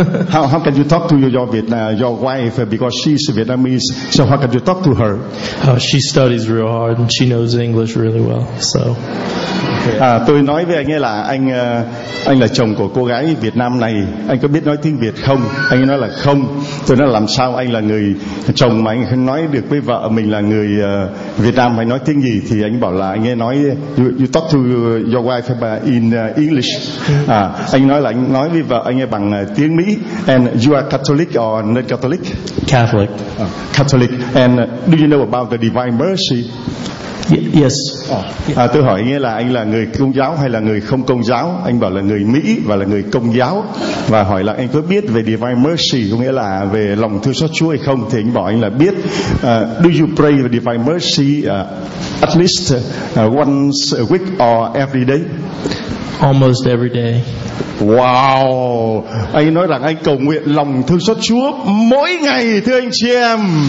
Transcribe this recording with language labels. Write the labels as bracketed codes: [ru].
[en] how can you talk to your wife, because she's Vietnamese? So how can you talk to her? She studies real hard and she knows English really well. So. Okay. [vi] Tôi nói với anh ấy là anh là chồng của cô gái Việt Nam này. Anh có biết nói tiếng Việt không? Anh ấy nói là không. Tôi nói làm sao anh là người chồng mà anh không nói được với vợ mình là người Việt Nam hay nói tiếng gì? Thì anh ấy bảo là anh ấy nói [en] you talk to your wife. In English. [vi] Anh nói là anh nói với vợ anh ấy bằng tiếng Mỹ. [en] And you are Catholic or non-Catholic? Catholic. Catholic. And do you know about the Divine Mercy? Yes. [vi] Tôi hỏi anh ấy là anh là người Công giáo hay là người không Công giáo? Anh bảo là người Mỹ và là người Công giáo. Và hỏi là anh có biết về Divine Mercy, có nghĩa là về lòng thương xót Chúa hay không? Thì anh bảo anh là biết. [en] Do you pray the Divine Mercy at least once a week or every day? Almost every day. Wow. [vi] Anh nói rằng anh cầu nguyện lòng thương xót Chúa mỗi ngày, thưa anh chị em.